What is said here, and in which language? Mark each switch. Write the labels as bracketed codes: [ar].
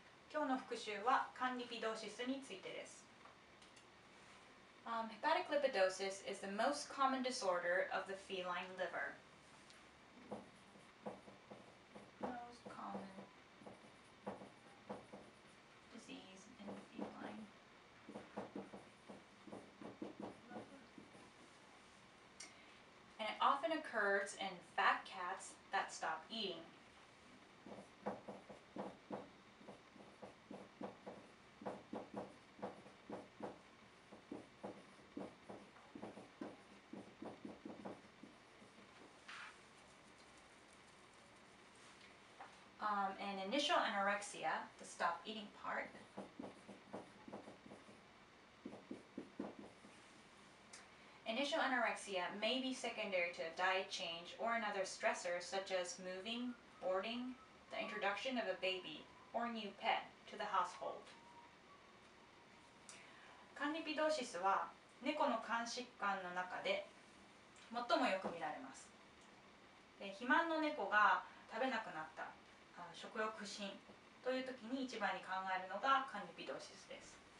[ja] 今日の復習は肝リピドーシスについてです。 [en] Hepatic lipidosis is the most common disorder of the feline liver. Most common disease in the feline. And it often occurs in fat cats that stop eating. And initial anorexia, the stop eating part, initial anorexia may be secondary to a diet change or another stressor such as moving, boarding, the introduction of a baby or new pet to the household. [ja] 肝リピドーシスは猫の肝疾患の中で最もよく見られます。で、肥満の猫が食べなくなった。食欲不振という時に一番に考えるのが肝リピドーシスです。